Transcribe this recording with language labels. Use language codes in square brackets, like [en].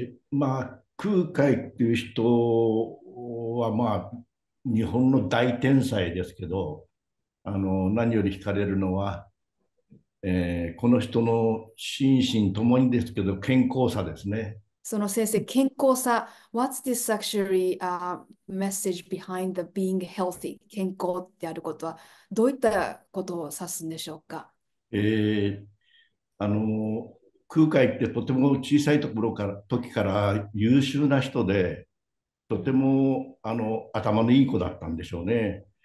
[ja] まあ、空海っていう人は、まあ、日本の大天才ですけど、何より惹かれるのは、この人の心身ともにですけど、健康さですね。その先生、健康さ、 [en] What's this actually message behind the being healthy? [ja] 健康であることは、どういったことを指すんでしょうか？空海ってとても小さいところから、時から優秀な人で、とても頭のいい子だったんでしょうね。